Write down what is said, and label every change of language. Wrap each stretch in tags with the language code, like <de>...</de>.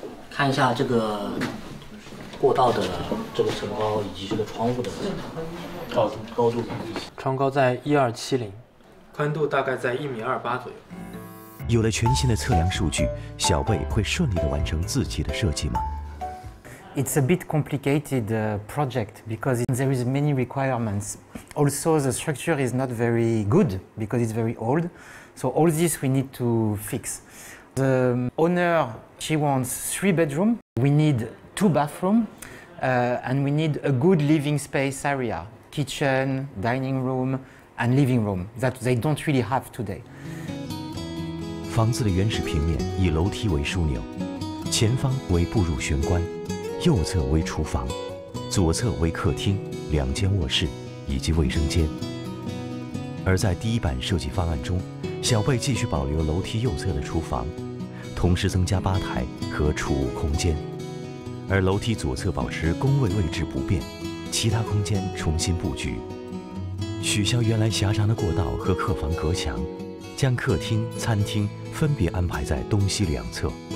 <zh>看一下这个过道的这个层高以及这个窗户的高度，窗高在1270，宽度大概在1.28米左右。有了全新的测量数据，小贝会顺利地完成自己的设计吗？</zh> <en>It's a bit complicated project because there is many requirements. Also, the structure is not very good because it's very old. So all this we need to fix. The owner, she wants 3 bedroom. We need 2 bathroom, and we need a good living space area, kitchen, dining room, and living room that they don't really have today.</en> <zh>房子的原始平面以楼梯为枢纽，前方为步入玄关。右侧为厨房，左侧为客厅、两间卧室以及卫生间。而在第一版设计方案中，小贝继续保留楼梯右侧的厨房，同时增加吧台和储物空间，而楼梯左侧保持工位位置不变，其他空间重新布局，取消原来狭长的过道和客房隔墙，将客厅、餐厅分别安排在东西两侧。</zh>